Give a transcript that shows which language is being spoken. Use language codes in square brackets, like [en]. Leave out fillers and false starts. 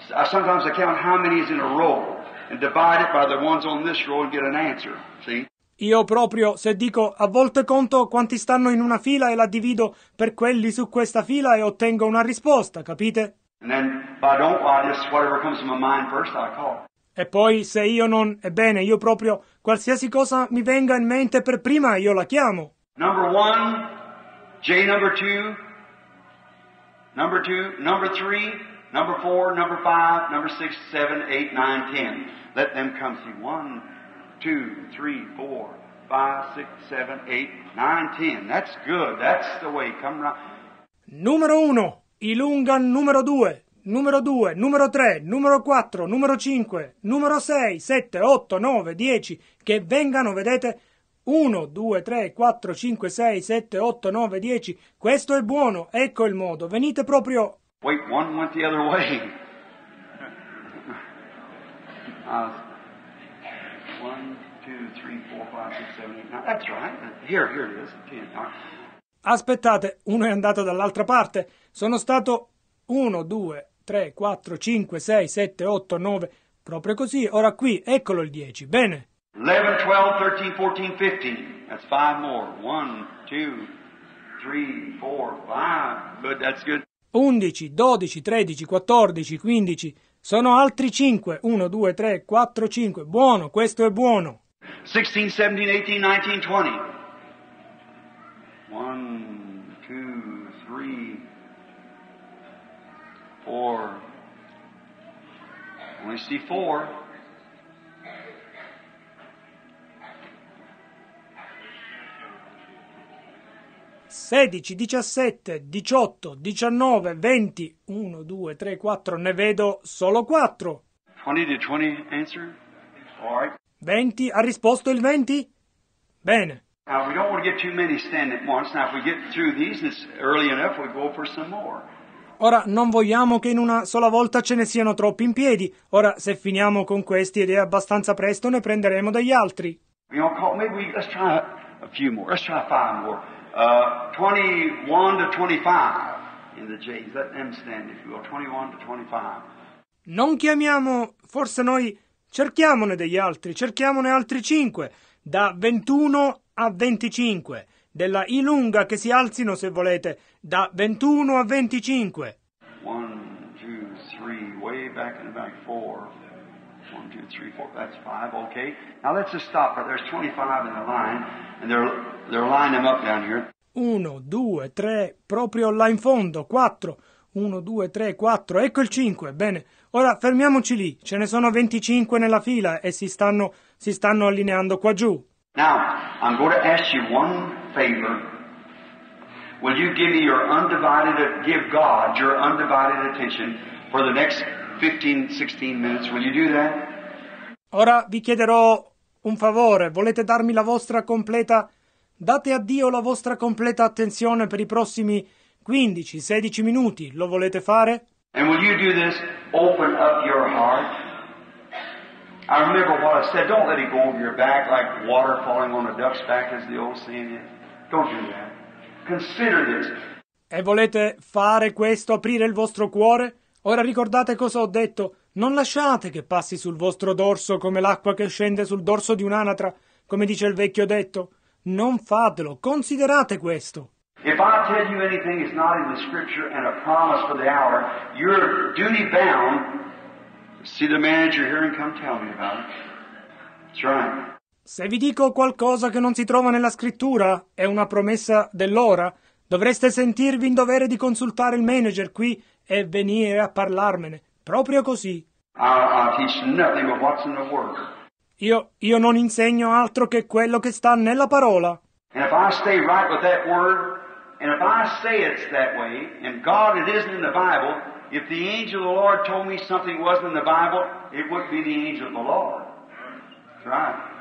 [en] Sometimes I count how many is in a row and divide it by the ones on this row and get an answer, see? [it] Io proprio, se dico, a volte conto quanti stanno in una fila e la divido per quelli su questa fila e ottengo una risposta, capite? [en] And then, but I just, whatever comes to my mind first, I call. [it] E poi, se io non, ebbene, io proprio, qualsiasi cosa mi venga in mente per prima, io la chiamo. [en] Number one, J number two, number two, number three, number four, number five, number six, seven, eight, nine, ten. Let them come see. One, two, three, four, five, six, seven, eight, nine, ten. That's good. That's the way. Come right. [it] Numero uno, Ilungan numero due. Numero 2, numero 3, numero 4, numero 5, numero 6, 7, 8, 9, 10, che vengano, vedete? 1, 2, 3, 4, 5, 6, 7, 8, 9, 10, questo è buono, ecco il modo, venite proprio... [en] Wait, one went the other way. One, two, three, four, five, six, seven, eight, nine, that's right, here, here it is, ten. [it] Aspettate, uno è andato dall'altra parte, sono stato 1, 2... 3, 4, 5, 6, 7, 8, 9, proprio così, ora qui, eccolo il 10, bene. [en] 11, 12, 13, 14, 15, that's 5 more, 1, 2, 3, 4, 5, good, that's good. [it] 11, 12, 13, 14, 15, sono altri 5, 1, 2, 3, 4, 5, buono, questo è buono. [en] 16, 17, 18, 19, 20, 1, 2, 3, 4, only see 4, [it] 16, 17, 18, 19, 20, 1, 2, 3, 4, ne vedo solo 4, [en] 20, did 20 answer? All right. [it] 20, ha risposto il 20? Bene. [en] Now we don't want to get too many standing at once, now if we get through these it's early enough we go for some more. [it] Ora, non vogliamo che in una sola volta ce ne siano troppi in piedi. Ora, se finiamo con questi ed è abbastanza presto, ne prenderemo degli altri. [en] You know, call, maybe we, let's try a few more. Let's try five more. 21 to 25 in the J's. Let them stand, if you will. 21 to 25. [it] Non chiamiamo, forse noi cerchiamone degli altri. Cerchiamone altri 5. Da 21 a 25. Della Ilunga che si alzino se volete da 21 a 25. [en] 1 2 3 way back in the back 4 1 2 3 4 that's 5 okay. Now let's just stop right there's 25 in the line and they're lining them up down here. [it] 1 2 3 proprio là in fondo 4 1 2 3 4 ecco il 5. Bene. Ora fermiamoci lì. Ce ne sono 25 nella fila e si stanno allineando qua giù. [en] Now I'm going to ask you one favor. Will you give me your undivided, give God your undivided attention for the next 15-16 minutes? Will you do that? [it] Ora vi chiederò un favore. Volete darmi la vostra completa? Date a Dio la vostra completa attenzione per i prossimi 15-16 minuti. Lo volete fare? [en] And will you do this? Open up your heart. I remember what I said, don't let it go over your back like water falling on a duck's back, as the old saying is. Don't do that. Consider this. [it] E volete fare questo, aprire il vostro cuore? Ora ricordate cosa ho detto. Non lasciate che passi sul vostro dorso come l'acqua che scende sul dorso di un'anatra, come dice il vecchio detto. Non fatelo, considerate questo. [en] If I tell you anything is not in the scripture and a promise for the hour, you're duty bound. See the manager here and come tell me about it. That's right. [it] Se vi dico qualcosa che non si trova nella scrittura, è una promessa dell'ora, dovreste sentirvi in dovere di consultare il manager qui e venire a parlarmene. Proprio così. [en] I teach nothing but what's in the word. [it] Io non insegno altro che quello che sta nella parola. [en] And if I stay right with that word, and if I say it's that way, and God it isn't in the Bible, if the angel of the Lord told me something wasn't in the Bible, it wouldn't be the angel of the Lord. That's right.